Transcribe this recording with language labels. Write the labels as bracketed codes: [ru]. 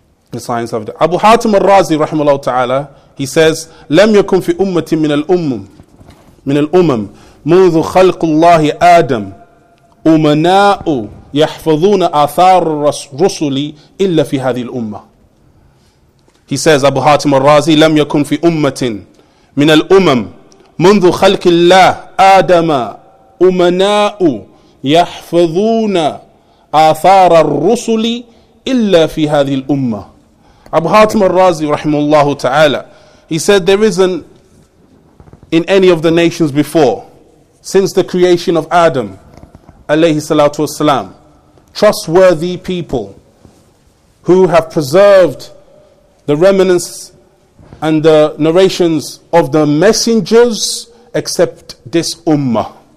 [en] the science of the Abu Hatim al-Razi rahimahullah ta'ala, he says, [ar] لَمْ يَكُمْ فِي أُمَّةٍ مِنَ الْأُمَّمْ منذ خلق الله آدم أمناء يحفظون آثار الرسل إلا في هذه الأمة. [en] He says, [ar] Abu Hatim al-Razi, لم يكن في أمة من الأمم منذ خلق الله آدم أمناء يحفظون آثار الرسل إلا في هذه الأمة. [en] Abu Hatim al-Razi [ar] رحمه الله تعالى, [en] he said, there isn't in any of the nations before, since the creation of Adam, alayhi salatu wasalam, trustworthy people who have preserved the remnants and the narrations of the messengers, except this ummah.